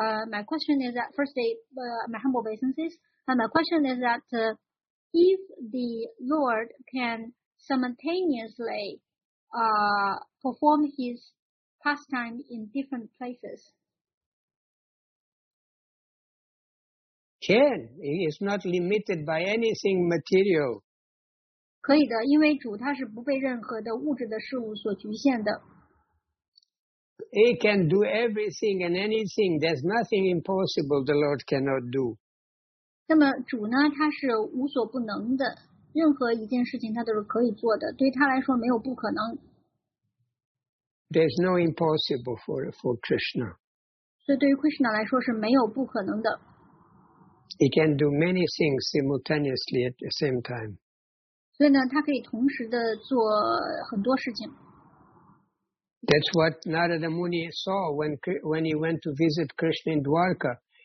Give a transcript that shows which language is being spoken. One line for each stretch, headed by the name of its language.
English: My question is that firstly, my humble obeisances. And my question is that if the Lord can simultaneously perform His pastime in different places. Can. He is not limited by anything material.
Chinese: 可以的，因为主他是不被任何的物质的事物所局限的。
English: He can do everything and anything. There's nothing impossible the Lord cannot do.
Chinese: 那么主呢，他是无所不能的，任何一件事情他都是可以做的，对他来说没有不可能。
English: There's no impossible for Krishna.
Chinese: 所以对于 Krishna 来说是没有不可能的。
English: He can do many things simultaneously at the same time.
Chinese: 所以呢，他可以同时的做很多事情。
English: That's what Narada Muni saw when he went to visit Krishna in Dwarka.